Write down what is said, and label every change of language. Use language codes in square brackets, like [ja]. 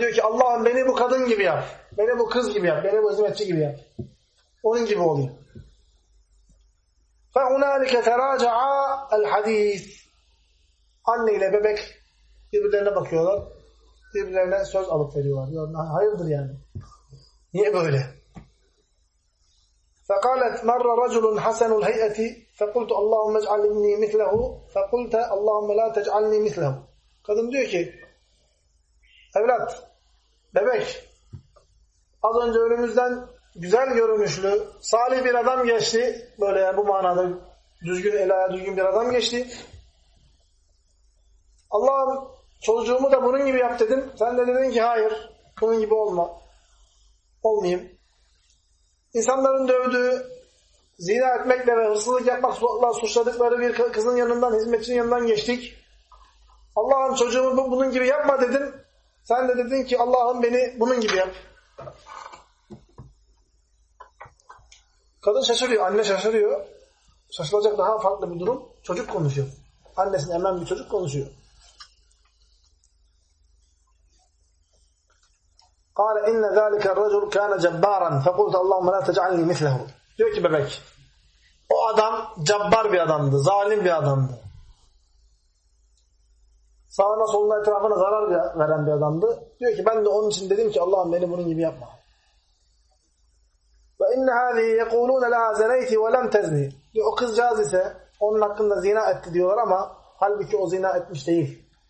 [tr] Diyor ki Allah'ım beni bu kadın gibi yap. Beni bu kız gibi yap. Beni bu hizmetçi gibi yap. Onun gibi olayım. [ar] فَهُنَالِكَ تَرَاجَعَا الْحَد۪يثِ. [tr] Anne ile bebek birbirlerine bakıyorlar. Birbirlerine söz alıp veriyorlar. Diyor, hayırdır yani? Niye böyle? [ar] فقالت مر رجل حسن الهيئة فقلت اللهم اجعلني مثله فقلت اللهم لا تجعلني مثله. [tr] Kadın diyor ki evlat, bebek, az önce önümüzden güzel görünüşlü salih bir adam geçti, böyle yani bu manada düzgün elaya düzgün bir adam geçti. Allah'ım çocuğumu da bunun gibi yap dedim. Sen de dedin ki hayır, bunun gibi olma, olmayayım. İnsanların dövdüğü, zina etmekle ve hırsızlık yapmakla suçladıkları bir kızın yanından, hizmetçinin yanından geçtik. Allah'ım çocuğumu bunun gibi yapma dedim. Sen de dedin ki Allah'ım beni bunun gibi yap. Kadın şaşırıyor, anne şaşırıyor. Şaşılacak daha farklı bir durum. Çocuk konuşuyor. Annesine emen bir çocuk konuşuyor. [ar] قال ان ذلك الرجل كان جبارا فقلت اللهم لا تجعلني مثله. [tr] Diyor ki bebek, o adam cabbar bir adamdı, zalim bir adamdı, sağına soluna etrafına zarar veren bir adamdı. Diyor ki ben de onun için dedim ki Allah'ım beni bunun gibi yapma. [ar] Ve inne hazi yekulun la zaneyti ve lem tezni. [tr] Diyor, o kızcağız ise onun hakkında zina etti diyorlar ama halbuki o zina etmiş değil.